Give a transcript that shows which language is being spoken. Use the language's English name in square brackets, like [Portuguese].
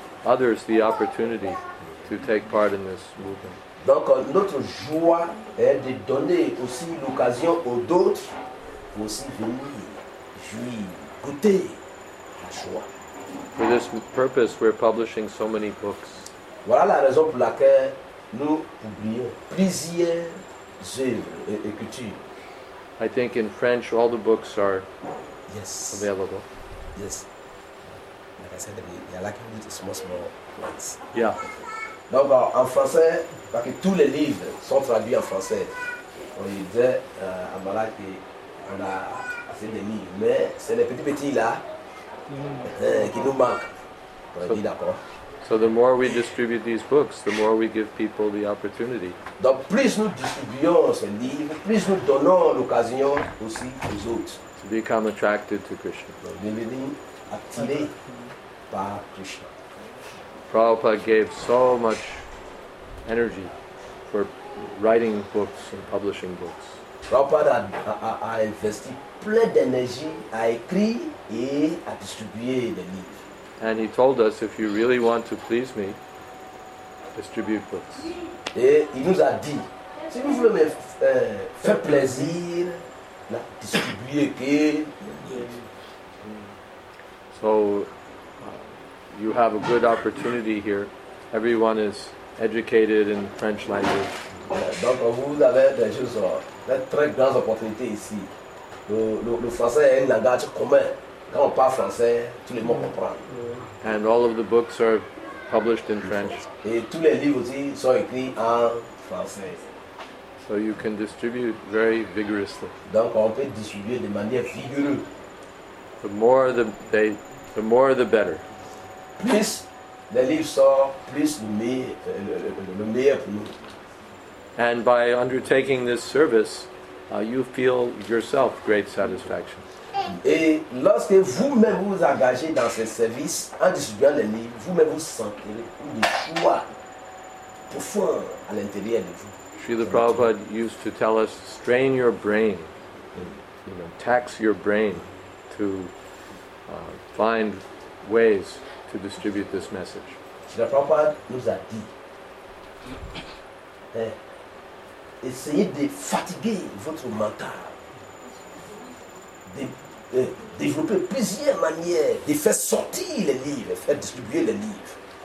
[English] others the opportunity to take part in this movement. [French] Donc notre joie est de donner aussi l'occasion aux d'autres aussi venir jouir, goûter la joie. [English] For this purpose, we're publishing so many books. [French] Voilà la raison pour laquelle nous publions plusieurs œuvres et écritures. [English] I think in French, all the books are yes. available. Yes. Like I said, they are like the small ones. Yeah. [French] Donc en français, parce que tous les livres sont traduits en français. On disait à Malak qu'on a assez de livres, mais c'est les petits là qui nous manquent. On dit d'accord. [English] So the more we distribute these books, the more we give people the opportunity. [French] Donc plus nous distribuons ces livres, plus nous donnons l'occasion aussi aux autres. [English] To become attracted to Krishna. [French] Donc devenir attiré par Krishna. [English] Prabhupada gave so much energy for writing books and publishing books. [French] Prabhupada a investi plein d'énergie à écrire et à distribuer des livres. [English] And he told us, if you really want to please me, distribute books. [French] Et il nous a dit, si vous voulez me faire plaisir, distribuez que. [English] So. You have a good opportunity here. Everyone is educated in French language. [French] Donc vous avez des choses, des très grandes opportunités ici. Le français est un langage commun. Quand on parle français, tout le monde comprend. [English] And all of the books are published in French. [French] Et tous les livres aussi sont écrits en français. [English] So you can distribute very vigorously. [French] Donc on peut distribuer de manière vigoureuse. [English] The more the better. [French] Plus les livres sortent, plus le meilleur pour nous. [English] And by undertaking this service, you feel yourself great satisfaction. [French] Et lorsque vous-même vous engagez dans ce service, en distribuant les livres, vous-même vous sentez une joie profonde à l'intérieur de vous. [English] Srila Prabhupada used to tell us, strain your brain, you know, tax your brain to find ways to distribute this message. [French] Srila Prabhupada nous a dit, essayez de fatiguer votre mental, de développer plusieurs manières de faire sortir les livres, faire distribuer les livres.